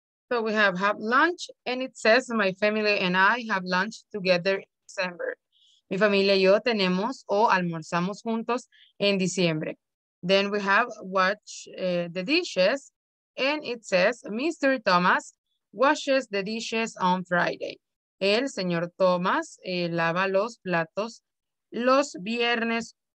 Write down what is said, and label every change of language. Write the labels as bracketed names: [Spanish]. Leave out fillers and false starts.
[English] So we have lunch, and it says my family and I have lunch together in December. [Spanish] Mi familia y yo tenemos o almorzamos juntos en diciembre. [English] Then we have wash the dishes, and it says Mr. Thomas washes the dishes on Friday. [Spanish] El señor Thomas lava los platos los viernes.